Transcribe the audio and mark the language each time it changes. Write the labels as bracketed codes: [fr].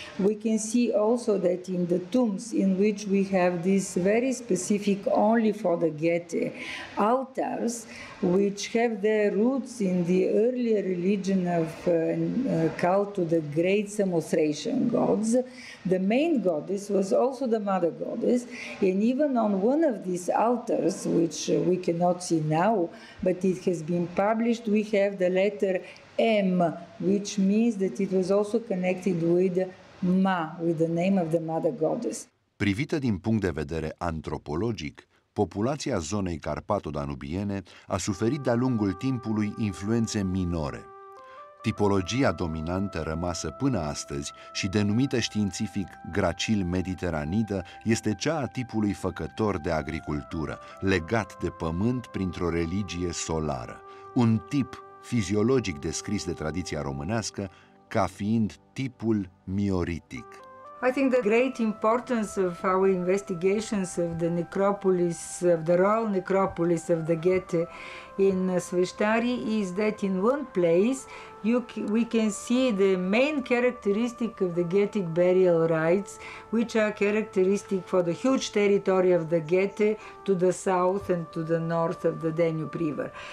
[en] We can see also that in the tombs in which we have this very specific only for the Getae altars, which have their roots in the earlier religion of cult to the great Samothracian gods, the main goddess was also the mother goddess. And even on one of these altars, which we cannot see now, but it has been published, we have the letter M, which means that it was also connected with Ma, with the name of the mother goddess. [ro] Privită din punct de vedere antropologic, populația zonei carpato-danubiene a suferit de-a lungul timpului influențe minore. Tipologia dominantă rămasă până astăzi și denumită științific gracil mediteranidă este cea a tipului făcător de agricultură, legat de pământ printr-o religie solară, un tip fiziologic descris de tradiția românească ca fiind tipul mioritic. [en] I think the great importance of our investigations of the necropolis, of the royal necropolis of the Getae in Sveshtari, is that in one place we can see the main characteristic of the Getic burial rites, which are characteristic for the huge territory of the Getae to the south and to the north of the Danube River.